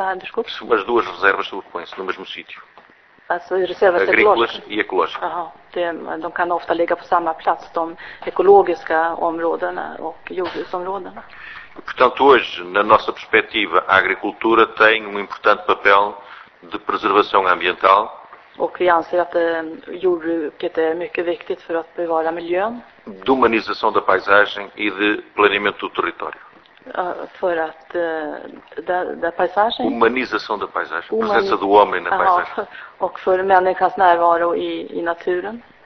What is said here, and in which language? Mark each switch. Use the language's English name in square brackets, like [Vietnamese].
[Portuguese] as duas reservas sobrepõem-se no mesmo sítio. Agrícolas e ecológicas. [Swedish] De kan ofta ligga på samma plats, de ekologiska områdena och jordbruksområdena. [Portuguese] E, portanto, hoje, na nossa perspectiva, a agricultura tem importante papel de preservação ambiental. [Swedish] Och vi anser att jordbruket är mycket viktigt för att bevara miljön. [Portuguese] De humanização da paisagem e de planeamento do território. [Swedish] För att [Portuguese] da paisagem. Humanização da paisagem. Presença do homem na paisagem. [Swedish] Och för människans närvaro i naturen.